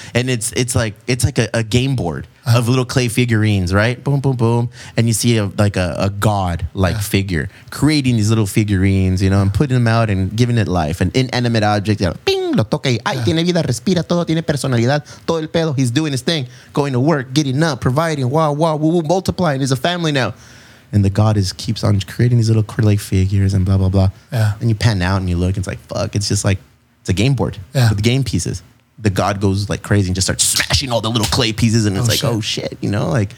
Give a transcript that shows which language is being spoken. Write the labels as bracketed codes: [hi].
[en] And it's like a game board of little clay figurines, right? Boom, boom, boom. And you see a god-like figure creating these little figurines, you know, and putting them out and giving it life. An inanimate object. You know, ping, [es] lo toque. Ay, tiene vida, respira todo, tiene personalidad, todo el pedo. [en] He's doing his thing, going to work, getting up, providing, woo, multiplying. He's a family now. And the god keeps on creating these little clay figures and blah, blah, blah. Yeah. And you pan out and you look, and it's like, fuck. It's just like, it's a game board with game pieces. The god goes like crazy and just starts smashing all the little clay pieces. And it's like, shit. Oh shit. You know, like.